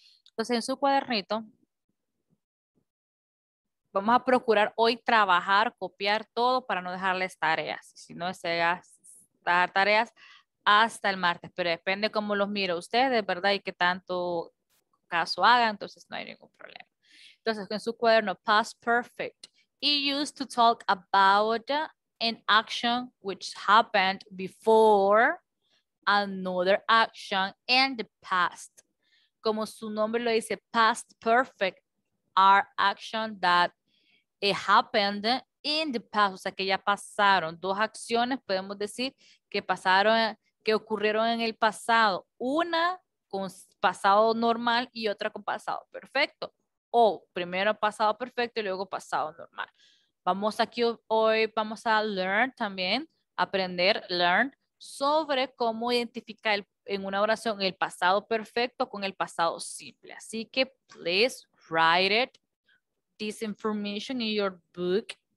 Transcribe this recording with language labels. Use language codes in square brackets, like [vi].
[es] Entonces, en su cuadernito, vamos a procurar hoy trabajar, copiar todo para no dejarles tareas. Si no, se va a dar tareas hasta el martes, pero depende cómo los mire ustedes, ¿verdad? Y qué tanto caso haga, entonces no hay ningún problema. Entonces, en su cuaderno, past perfect. [en] He used to talk about an action which happened before another action in the past. [es] Como su nombre lo dice, [en] past perfect are actions that it happened in the past. [es] O sea, que ya pasaron. Dos acciones podemos decir que pasaron, que ocurrieron en el pasado. Una con pasado normal y otra con pasado perfecto. O primero pasado perfecto y luego pasado normal. Vamos aquí hoy, vamos a learn también, aprender, learn, sobre cómo identificar en una oración el pasado perfecto con el pasado simple. Así que, [en] please write it, this information in your book.